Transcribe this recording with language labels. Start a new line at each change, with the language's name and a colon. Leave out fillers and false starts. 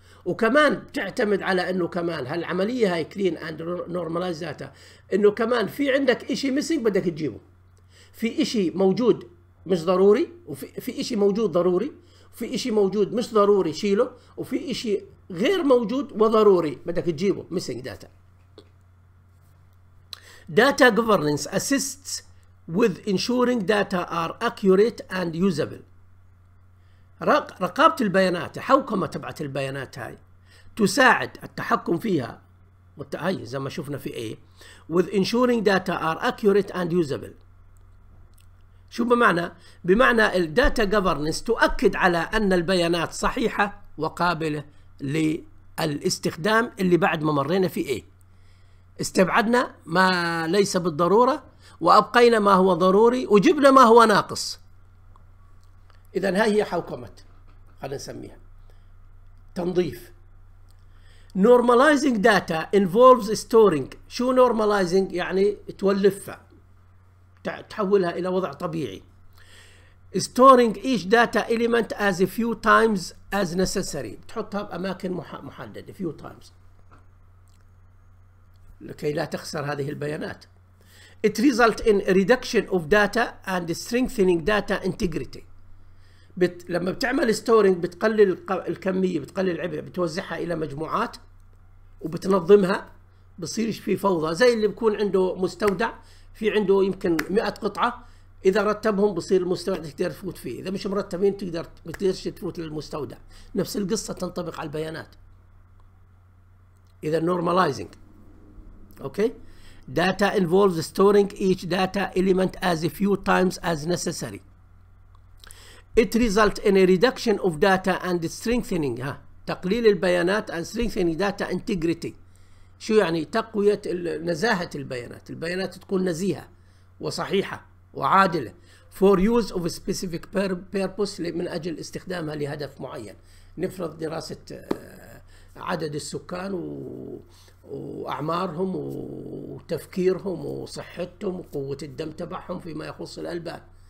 Arabic: وكمان بتعتمد على أنه كمان هالعملية هاي
English: clean and normalized data،
Arabic: أنه كمان في عندك إشي missing بدك تجيبه، في إشي موجود مش ضروري، وفي إشي موجود ضروري، في إشي موجود مش ضروري شيله، وفي إشي غير موجود وضروري بدك تجيبه
English: missing data. Data governance assists with ensuring data are accurate and usable.
Arabic: رقابة البيانات، حوكمة تبعت البيانات هاي تساعد التحكم فيها، هاي زي ما شفنا في A،
English: with ensuring data are accurate and usable.
Arabic: شو بمعنى؟ بمعنى الداتا governance تؤكد على أن البيانات صحيحة وقابلة للاستخدام اللي بعد ما مرينا في A، استبعدنا ما ليس بالضرورة وأبقينا ما هو ضروري وجبنا ما هو ناقص. إذن هاي هي حوكمة، خلينا نسميها تنظيف.
English: Normalizing data involves storing.
Arabic: شو normalizing؟ يعني تولفها، تحولها إلى وضع طبيعي.
English: Storing each data element as a few times as necessary.
Arabic: تحطها بأماكن محددة
English: few times
Arabic: لكي لا تخسر هذه البيانات.
English: It results in reduction of data and strengthening data integrity.
Arabic: لما بتعمل ستورينج بتقلل الكمية، بتقلل العبء، بتوزعها إلى مجموعات وبتنظمها، بصيرش في فوضى. زي اللي بيكون عنده مستودع في عنده يمكن 100 قطعة، إذا رتبهم بصير المستودع تقدر تفوت فيه، إذا مش مرتبين تقدر بتقدرش تفوت للمستودع. نفس القصة تنطبق على البيانات.
English: إذا normalizing. Okay. Data involves storing each data element as a few times as necessary. It results in a reduction of data and strengthening.
Arabic: تقليل البيانات
English: and strengthening data integrity.
Arabic: شو يعني؟ تقوية نزاهة البيانات. البيانات تكون نزيهة وصحيحة وعادلة.
English: For use of a specific purpose.
Arabic: من أجل استخدامها لهدف معين. نفرض دراسة عدد السكان وأعمارهم وتفكيرهم وصحتهم وقوة الدم تبعهم فيما يخص الألبان.